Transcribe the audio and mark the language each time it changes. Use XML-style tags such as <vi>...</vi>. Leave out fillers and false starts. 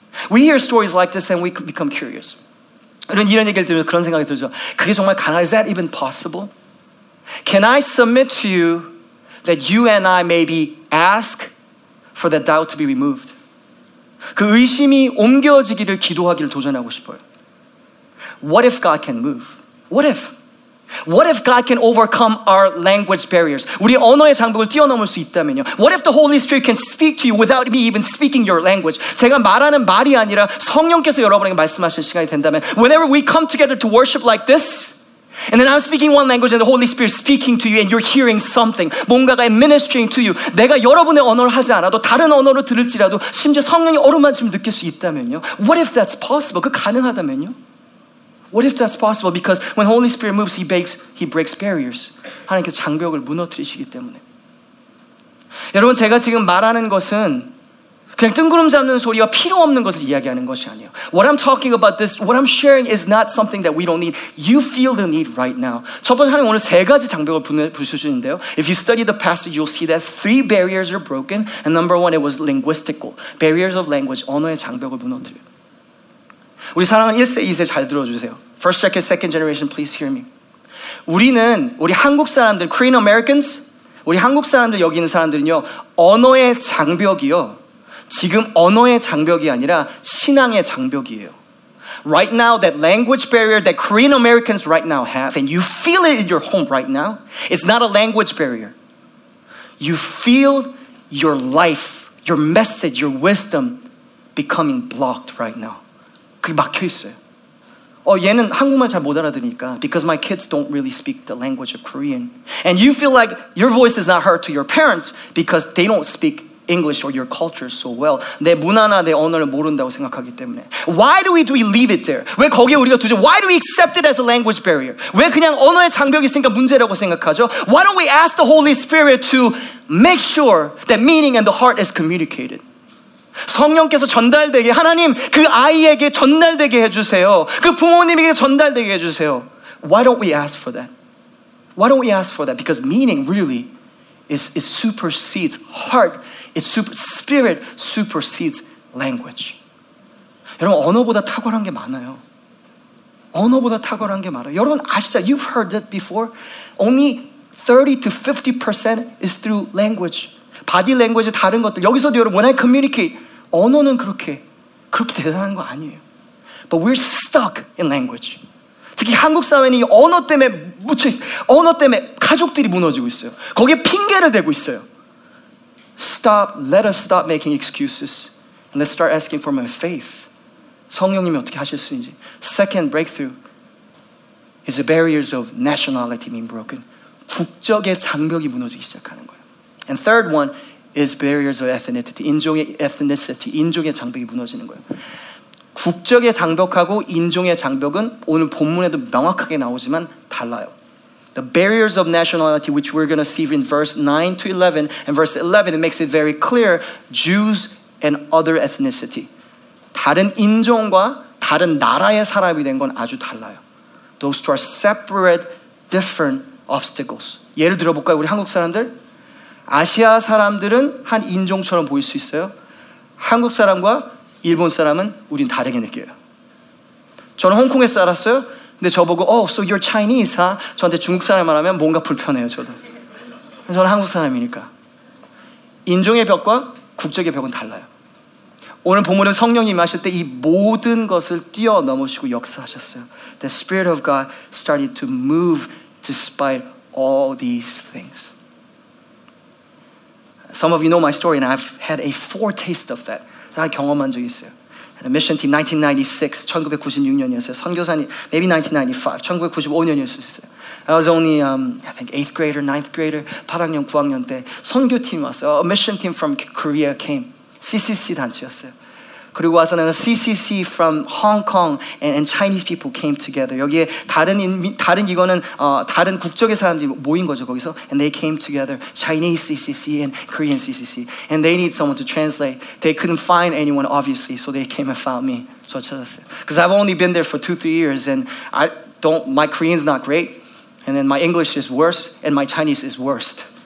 <en>We hear stories like this and we become curious.</en> <ko>이런 얘기를 들으면 그런 생각이 들죠. 그게 정말 가능해요?</ko> <en>Is that even possible? Can I submit to you that you and I maybe ask for the doubt to be removed?</en> <ko>그 의심이 옮겨지기를 기도하기를 도전하고 싶어요.</ko> <en>What if God can move? What if? What if God can overcome our language barriers?</en> <ko>우리 언어의 장벽을 뛰어넘을 수 있다면요.</ko> <en>What if the Holy Spirit can speak to you without me even speaking your language?</en> <ko>제가 말하는 말이 아니라 성령께서 여러분에게 말씀하실 시간이 된다면</ko> <en>whenever we come together to worship like this and then I'm speaking one language and the Holy Spirit speaking to you and you're hearing something</en> <ko>뭔가가</ko> <en>ministering to you</en> <ko>내가 여러분의 언어를 하지 않아도 다른 언어를 들을지라도 심지어 성령이 어루만짐을 느낄 수 있다면요.</ko> <en>What if that's possible?</en> <ko>그 가능하다면요?</ko> <en>What if that's possible? Because when Holy Spirit moves, he breaks barriers.</en> <ko>하나님께서 장벽을 무너뜨리시기 때문에. 여러분, 제가 지금 말하는 것은 그냥 뜬구름 잡는 소리와 필요 없는 것을 이야기하는 것이 아니에요.</ko> <en>What I'm talking about this, what I'm sharing is not something that we don't need. You feel the need right now.</en> <ko>첫 번째, 하나님 오늘 세 가지 장벽을 부수시는데요.</ko> <en>If you study the passage, you'll see that 3 barriers are broken. And number one, it was linguistical. Barriers of language,</en> <ko>언어의 장벽을 무너뜨려. 우리 사랑하는 1세, 2세 잘 들어주세요.</ko> <en>First, second, second generation, please hear me.</en> <ko>우리는 우리 한국 사람들,</ko> <en>Korean Americans,</en> <ko>우리 한국 사람들 여기 있는 사람들은요, 언어의 장벽이요. 지금 언어의 장벽이 아니라 신앙의 장벽이에요.</ko> <en>right now, that language barrier that Korean Americans right now have, and you feel it in your home right now, it's not a language barrier. You feel your life, your message, your wisdom becoming blocked right now.</en> <ko>그게 막혀 있어요. 얘는 한국말 잘 못 알아들으니까</ko> <en>because my kids don't really speak the language of Korean. And you feel like your voice is not heard to your parents because they don't speak English or your culture so well.</en> <ko>내 문화나 내 언어를 모른다고 생각하기 때문에.</ko> <en>Why do we leave it there?</en> <ko>왜 거기에 우리가 두지?</ko> <en>Why do we accept it as a language barrier?</en> <ko>왜 그냥 언어의 장벽이 있으니까 문제라고 생각하죠?</ko> <en>Why don't we ask the Holy Spirit to make sure that meaning and the heart is communicated?</en> <ko>성령께서 전달되게 하나님 그 아이에게 전달되게 해주세요 그 부모님에게 전달되게 해주세요</ko> <en>Why don't we ask for that?</en> <ko>Why don't we ask for that?</ko> <en>Because meaning really it supersedes heart it super, spirit supersedes language</en> <ko>여러분 언어보다 탁월한 게 많아요 언어보다 탁월한 게 많아요 여러분 아시죠?</ko> <en>You've heard that before Only 30 to 50% is through language Body language</en> <ko>다른 것들 여기서도 여러분</ko> <en>When I communicate</en> <ko>언어는 그렇게 대단한 거 아니에요.</ko> <en>But we're stuck in language.</en> <ko>특히 한국 사회는 언어 때문에 묻혀 있어요. 언어 때문에 가족들이 무너지고 있어요. 거기에 핑계를 대고 있어요.</ko> <en>Stop, let us stop making excuses. And let's start asking for my faith.</en> <ko>성령님이 어떻게 하실 수 있는지.</ko> <en>Second breakthrough is the barriers of nationality being broken.</en> <ko>국적의 장벽이 무너지기 시작하는 거예요.</ko> <en>And third one, is barriers of ethnicity, 인종의 ethnicity,</en> <ko>인종의 장벽이 무너지는 거예요. 국적의 장벽하고 인종의 장벽은 오늘 본문에도 명확하게 나오지만 달라요.</ko> <en>The barriers of nationality, which we're going to see in verse 9 to 11, and verse 11, it makes it very clear, Jews and other ethnicity.</en> <ko>다른 인종과 다른 나라의 사람이 된 건 아주 달라요.</ko> <en>Those two are separate, different obstacles.</en> <ko>예를 들어볼까요, 우리 한국 사람들? 아시아 사람들은 한 인종처럼 보일 수 있어요. 한국 사람과 일본 사람은 우린 다르게 느껴요. 저는 홍콩에서 살았어요. 근데 저보고</ko> <en>oh, so you're Chinese, huh?</en> <ko>저한테 중국 사람 말하면 뭔가 불편해요, 저도. 저는 한국 사람이니까. 인종의 벽과 국적의 벽은 달라요. 오늘 본문에 성령님 하실 때 이 모든 것을 뛰어넘으시고 역사하셨어요.</ko> <en>The Spirit of God started to move despite all these things. Some of you know my story, and I've had a foretaste of that.</en> <ko>제가 경험한 적이 있어요.</ko> <en>And a mission team, 1996,</en> <ko>1996년이었어요. 선교사님,</ko> <en>maybe 1995,</en> <ko>1995년이었어요.</ko> <en>I was only, I think, 8th grader, 9th grader,</en> <ko>8학년, 9학년 때 선교팀 왔어요.</ko> <en>A mission team from Korea came. CCC 단체였어요.</en> <ko>그리고 와서는</ko> <en>CCC from Hong Kong and Chinese people came together.</en> <ko>여기에 다른 국적의 사람들이 모인 거죠, 거기서.</ko> <en>And they came together, Chinese CCC and Korean CCC. And they need someone to translate. They couldn't find anyone, obviously, so they came and found me.</en> <ko>저 찾았어요.</ko> <en>Because I've only been there for 2-3 years, and my Korean's not great, and then my English is worse, and my Chinese is worst.</en>